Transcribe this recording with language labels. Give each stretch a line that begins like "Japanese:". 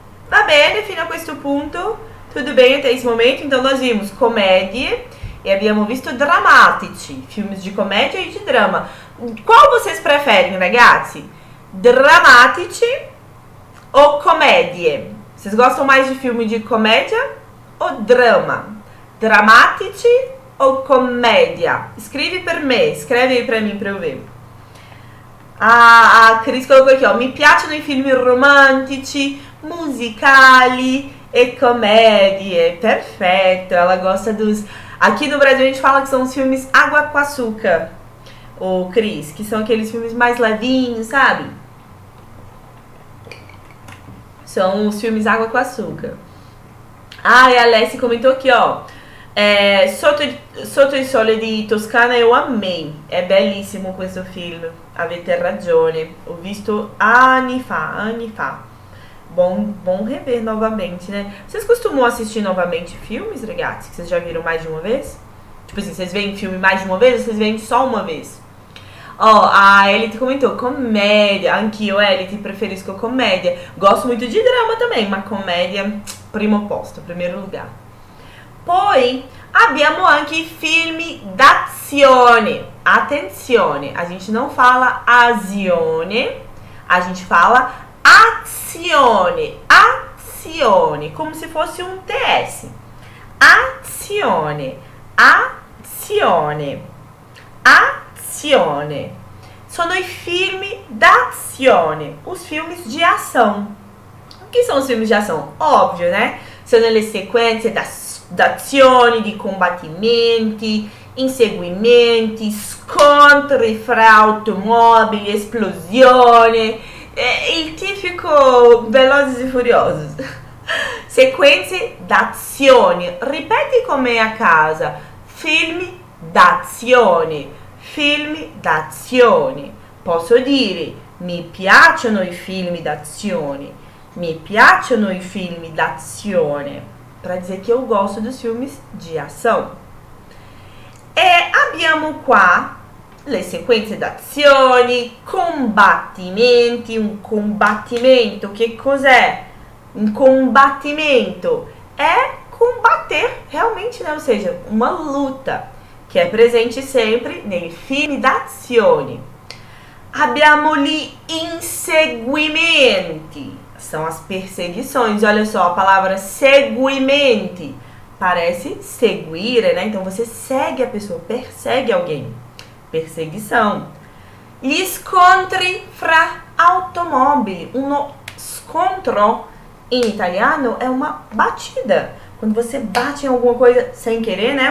Italian: Va bene, fino a questo punto.
Portuguese: Tudo bem até esse momento? Então nós vimos comédia.
Italian: E abbiamo visto drammatici,
Portuguese: filmes de comédia e de drama. Qual vocês preferem, ragazzi? Drammatici ou comédie? Vocês gostam mais de filme de comédia ou drama? Drammatici ou comédia? Escreve
Italian: per me,
Portuguese: escreve aí pra mim pra eu ver. A Cris colocou aqui, ó.
Italian: Mi piacciono i filmi romantici, musicali e comédie.
Portuguese: Perfeito, ela gosta dos... Aqui no Brasil a gente fala que são os filmes Água com Açúcar, ô Cris, que são aqueles filmes mais levinhos, sabe? São os filmes Água com Açúcar. Ah, e a Alessi comentou aqui, ó. Sotto il sole di Toscana eu amei.
Italian: É belíssimo questo filme. Avete ragione. Ho visto anni fa.
Portuguese: Bom rever novamente, né? Vocês costumam assistir novamente filmes, ragazzi? Que vocês já viram mais de uma vez? Tipo assim, vocês veem filme mais de uma vez ou vocês veem só uma vez? Ó, a Elite comentou, comédia.
Italian: Anch'io, Elite, preferisco comédia.
Portuguese: Gosto muito de drama também, mas comédia,
Italian: primo posto,
Portuguese: primeiro lugar.
Italian: Poi, abbiamo anche filme d'azione.
Portuguese: Attenzione, a gente não fala azione, a gente fala azione, azione, como se fosse um TS.
Italian: Azione, azione, azione. Sono i filmi d'azione,
Portuguese: os filmes de ação. O que são os filmes de ação? Óbvio, né?
Italian: Sono le sequenze d'azione, di combattimenti, inseguimenti, scontri fra automobili, esplosione. È il tipico Velozes e Furiosos. sequenze d'azioni. Ripeti con me a casa. Filmi d'azioni. Filmi d'azioni. Posso dire, mi piacciono i film d'azioni. Mi piacciono i film d'azione.
Portuguese: Para dizer que eu gosto dos filmes de ação.
Italian: E abbiamo qua le sequenze d'azioni, combattimenti. Un combattimento, che cos'è? Un combattimento è combattere realmente, né?
Portuguese: Ou seja, uma luta,
Italian: che è presente sempre nei film d'azione. Abbiamo gli inseguimenti,
Portuguese: são as perseguições. Olha só a palavra seguimenti, parece seguire, né? Então você segue a pessoa, persegue alguém. Perseguição.
Italian: Gli scontri fra automobili. Uno scontro in italiano è una battuta.
Portuguese: Quando você bate in alguma coisa sem querer, né?